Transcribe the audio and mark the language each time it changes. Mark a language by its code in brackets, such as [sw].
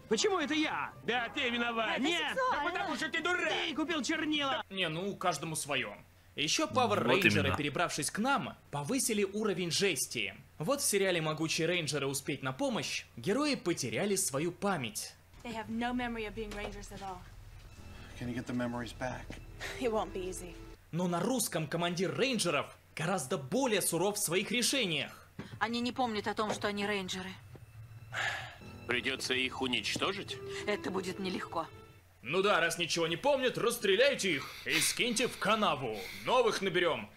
[ru] Почему это я? Да ты виноват. Это нет, сексуально. Да потому что ты дурак. Ты купил чернила. Не, ну, каждому свое. Еще Power Rangers, вот перебравшись к нам, повысили уровень жести. Вот в сериале «Могучие рейнджеры. Успеть на помощь» герои потеряли свою память. [en] They have no memory of being rangers at all. Can you get the memories back? It won't be easy. [ru] Но на русском командир рейнджеров гораздо более суров в своих решениях. Они не помнят о том, что они рейнджеры. Придется их уничтожить? Это будет нелегко. Ну да, раз ничего не помнят, расстреляйте их и скиньте в канаву. Новых наберем.